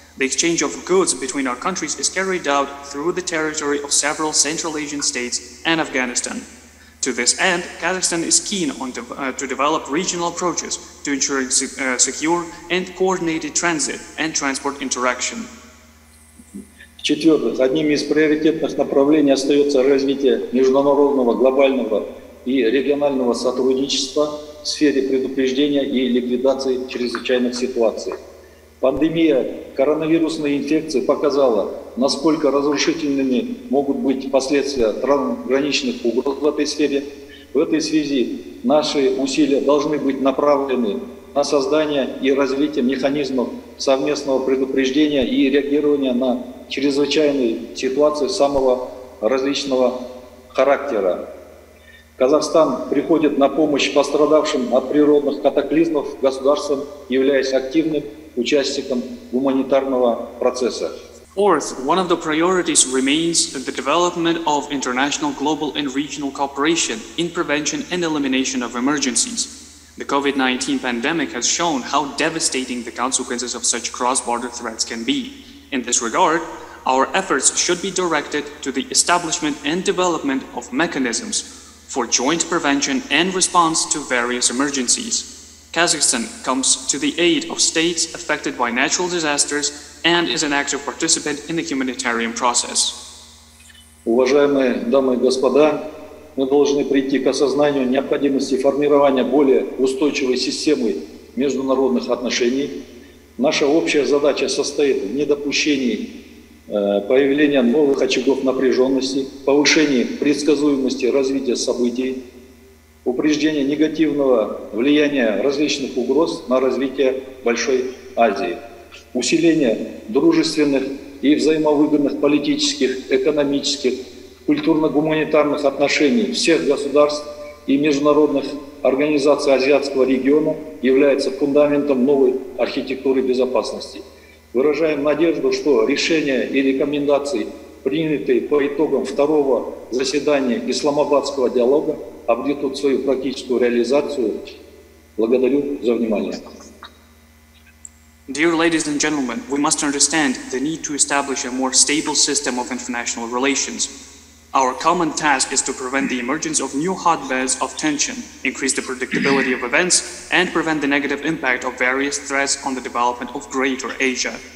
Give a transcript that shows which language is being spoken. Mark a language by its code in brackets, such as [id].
[en] The exchange of goods between our countries is carried out through the territory of several Central Asian states and Afghanistan. To this end, Kazakhstan is keen on to develop regional approaches to ensure secure and coordinated transit and transport interaction. [ru] В-четвертых, одним из приоритетных направлений остается развитие международного, глобального и регионального сотрудничества в сфере предупреждения и ликвидации чрезвычайных ситуаций. Пандемия коронавирусной инфекции показала, насколько разрушительными могут быть последствия трансграничных угроз в этой сфере. В этой связи наши усилия должны быть направлены на создание и развитие механизмов совместного предупреждения и реагирования на чрезвычайные ситуации самого различного характера. Казахстан приходит на помощь пострадавшим от природных катаклизмов государствам, являясь активным участником гуманитарного процесса. [en] Fourth, one of the priorities remains the development of international, global and regional cooperation in prevention and elimination of emergencies. The COVID-19 pandemic has shown how devastating the consequences of such cross-border threats can be. In this regard, our efforts should be directed to the establishment and development of mechanisms for joint prevention and response to various emergencies. Kazakhstan comes to the aid of states affected by natural disasters and is an active participant in the humanitarian process. [ru] Уважаемые дамы и господа, мы должны прийти к осознанию необходимости формирования более устойчивой системы международных отношений. Наша общая задача состоит в недопущении появления новых очагов напряженности, повышении предсказуемости развития событий, упреждении негативного влияния различных угроз на развитие Большой Азии, усиление дружественных и взаимовыгодных политических, экономических, культурно-гуманитарных отношений всех государств и международных организаций Азиатского региона является фундаментом новой архитектуры безопасности. Выражаем надежду, что решения и рекомендации, принятые по итогам второго заседания Исламабадского диалога, обретут свою практическую реализацию. Благодарю за внимание. [en] Dear ladies and gentlemen, we must understand the need to establish a more stable system of international relations. Our common task is to prevent the emergence of new hotbeds of tension, increase the predictability of events, and prevent the negative impact of various threats on the development of Greater Asia.